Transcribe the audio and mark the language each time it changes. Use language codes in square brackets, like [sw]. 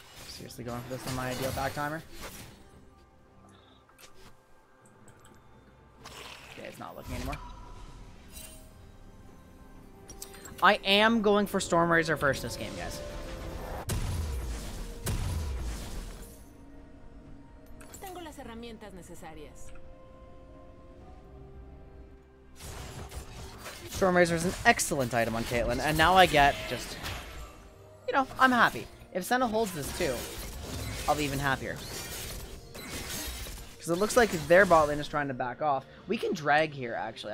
[en] Seriously going for this on my ideal back timer? Okay, it's not looking anymore. I am going for Stormraiser first this game, guys. [es] Tengo las herramientas necesarias. [en] Stormraiser is an excellent item on Caitlyn, and now I get just... You know, I'm happy. If Senna holds this too, I'll be even happier. Because it looks like their bot lane is trying to back off. We can drag here, actually.